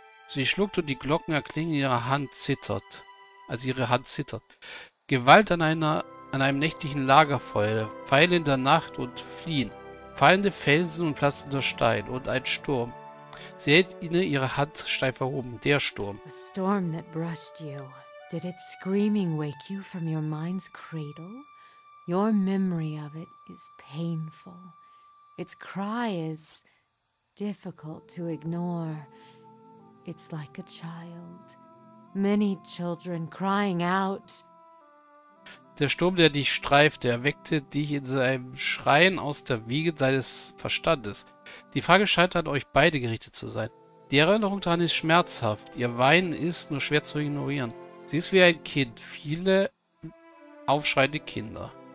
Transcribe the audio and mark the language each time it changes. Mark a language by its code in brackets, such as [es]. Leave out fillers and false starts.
[de] Sie schluckt und die Glocken erklingen in ihrer Hand zittert. Als ihre Hand zittert. Gewalt an einem nächtlichen Lagerfeuer, Pfeile in der Nacht und fliehen, fallende Felsen und platzender Stein und ein Sturm. Sie hält ihnen ihre Hand steif erhoben, der Sturm. [en] The storm that brushed you, did it screaming wake you from your mind's cradle? Your memory of it is painful. Its cry is difficult to ignore. It's like a child. Many children crying out. [de] Der Sturm, der dich streifte, erweckte dich in seinem Schreien aus der Wiege deines Verstandes. Die Frage scheint an euch beide gerichtet zu sein. Die Erinnerung daran ist schmerzhaft. Ihr Weinen ist nur schwer zu ignorieren. Sie ist wie ein Kind. Viele aufschreiende Kinder.